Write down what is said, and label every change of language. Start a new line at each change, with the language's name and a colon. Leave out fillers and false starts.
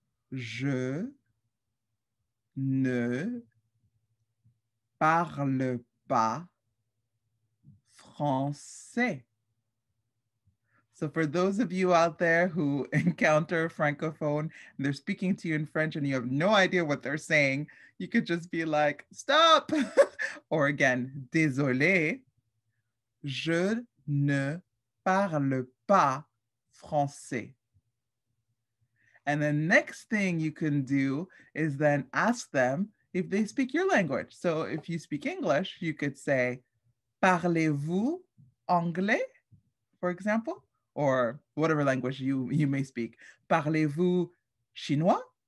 French: Je ne parle pas français.
English: So for those of you out there who encounter francophone and they're speaking to you in French and you have no idea what they're saying, you could just be like, stop! Or again,
French: désolé, je ne parle pas français.
English: And the next thing you can do is then ask them if they speak your language. So if you speak English, you could say,
French: parlez-vous anglais,
English: for example? Or whatever language you may speak.
French: Parlez-vous chinois?